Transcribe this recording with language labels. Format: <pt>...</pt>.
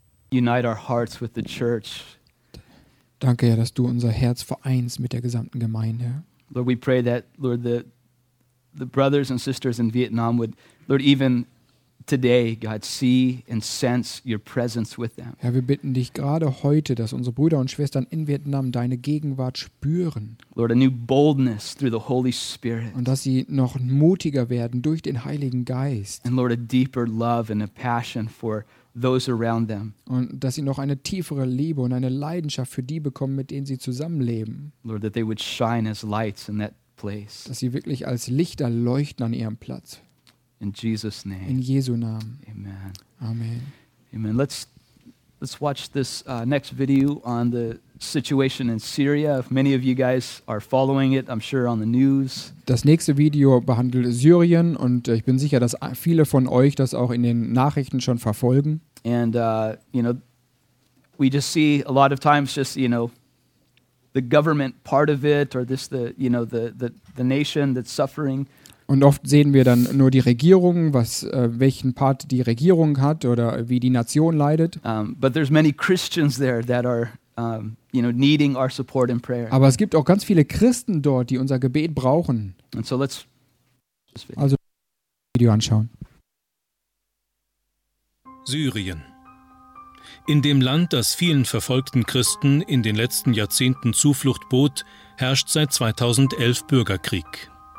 <en>Unite our hearts with the church.</en> <de>Danke, Herr, dass du unser Herz vereinst mit der gesamten Gemeinde.</de> <en>Lord, we pray that, Lord, the brothers and sisters in Vietnam would, Lord, even today, God, see and sense your presence with them.</en> <de>Herr, wir bitten dich gerade heute, dass unsere Brüder und Schwestern in Vietnam deine Gegenwart spüren.</de> <en>Lord, a new boldness through the Holy Spirit.</en> <de>Und dass sie noch mutiger werden durch den Heiligen Geist.</de> <en>And Lord, a deeper love and a passion for those around them.</en> <de>Und dass sie noch eine tiefere Liebe und eine Leidenschaft für die bekommen, mit denen sie zusammenleben.</de> <en>Lord, that they would shine as lights in that place.</en> <de>Dass sie wirklich als Lichter leuchten an ihrem Platz.</de> <en>In Jesus' name.</en> <de>In Jesu Namen.</de> <en>Amen.</en> <de>Amen. Amen.</de> <en>Let's watch this next video on the situation in Syria. If many of you guys are following it, I'm sure on the news.</en> <de>Das nächste Video behandelt Syrien und ich bin sicher, dass viele von euch das auch in den Nachrichten schon verfolgen.</de> <en>And you know, we just see a lot of times just, you know, the government part of it or this the nation that's suffering.</en> <de>Und oft sehen wir dann nur die Regierung, was welchen Part die Regierung hat oder wie die Nation leidet.</de> <en>But there's many Christians there that are needing our support and prayer.</en> <de>Aber es gibt auch ganz viele Christen dort, die unser Gebet brauchen.</de> <en>And so let's</en> <de>also das Video anschauen. Syrien. In dem Land, das vielen verfolgten Christen in den letzten Jahrzehnten Zuflucht bot, herrscht seit 2011 Bürgerkrieg.</de>